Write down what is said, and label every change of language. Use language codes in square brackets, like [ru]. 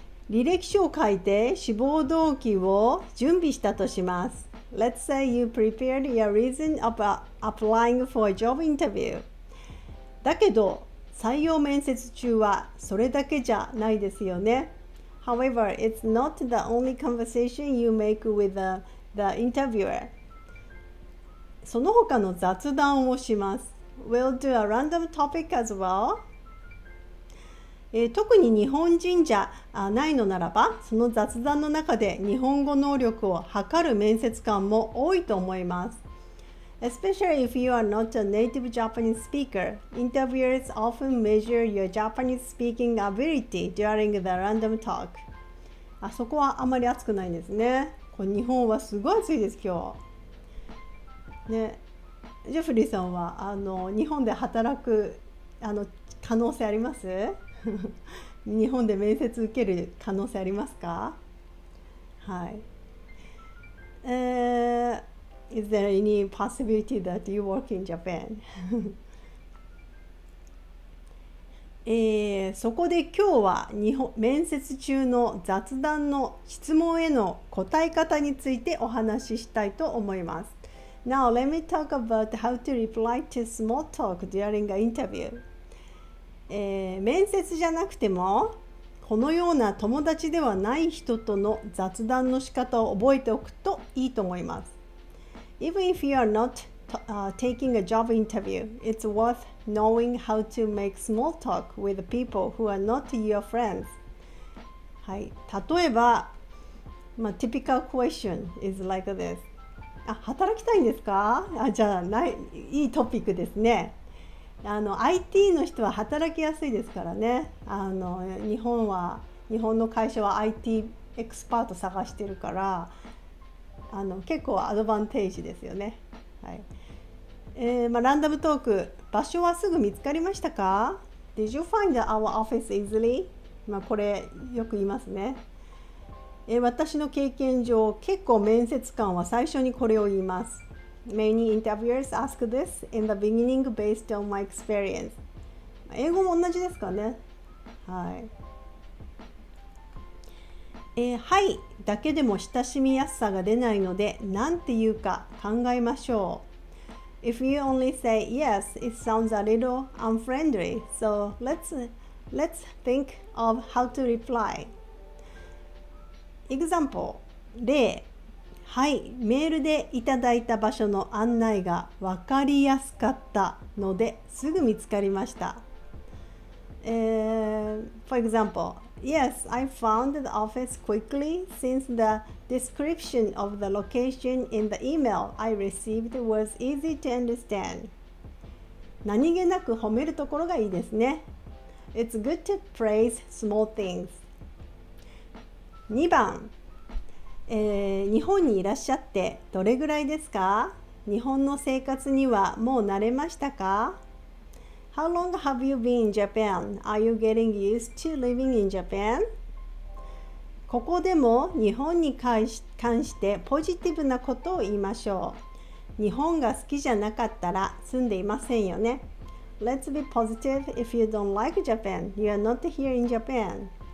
[ja] 履歴書を書いて志望動機を準備したとします。 [en] Let's say you prepared your reason of applying for a job interview。 [ja] だけど採用面接中はそれだけじゃないですよね。 [en] However, it's not the only conversation you make with the interviewer。 [ja] その他の雑談をします。 [en] We'll do a random topic as well. [ja] 特に日本人じゃないのならば、その雑談の中で日本語能力を測る面接官も多いと思います。 [en] Especially if you are not a native Japanese speaker, interviewers often measure your Japanese speaking ability during the random talk. [ja] あ、そこはあまり熱くないんですね。こう、日本はすごい暑いです、今日。ね、ジェフリーさんはあの日本で働くあの可能性あります？日本で面接受ける可能性ありますか？はい。 [en] Is there any possibility that you work in Japan? [ja] 、そこで今日は日本面接中の雑談の質問への答え方についてお話ししたいと思います。 [en] Now, let me talk about how to reply to small talk during an interview. [ja] 面接じゃなくても、このような友達ではない人との雑談の仕方を覚えておくといいと思います。 [en] Even if you are not taking a job interview, it's worth knowing how to make small talk with people who are not your friends. [ja] はい、例えば、まあ、 [en] typical question is like this. [ja] あ、働きたいんですか？あ、じゃあない、いいトピックですね。あの IT の人は働きやすいですからね。あの日本の会社は IT エクスパート探してるから、あの結構アドバンテージですよね。はい、まあ、ランダムトーク、場所はすぐ見つかりましたか？ [en] Did you find our office easily? [ja] まあこれよく言いますね。私の経験上、結構面接官は最初にこれを言います。 [en] Many interviewers ask this in the beginning based on my experience. [ja] 英語も同じですかね。はい。はい、だけでも親しみやすさが出ないので、なんて言うか考えましょう。 [en] If you only say yes, it sounds a little unfriendly. So let's think of how to reply. Example [ja] 例、はい、メールでいただいた場所の案内が分かりやすかったのですぐ見つかりました。 [en] For example, yes, I found the office quickly since the description of the location in the email I received was easy to understand. [ja] 何気なく褒めるところがいいですね。 [en] It's good to praise small things. [ja] 2番、日本にいらっしゃってどれぐらいですか？日本の生活にはもう慣れましたか？ [en] How long have you been in Japan? Are you getting used to living in Japan? [ja] ここでも日本に関してポジティブなことを言いましょう。日本が好きじゃなかったら住んでいませんよね。 [en] Let's be positive. If you don't like Japan, you are not here in Japan.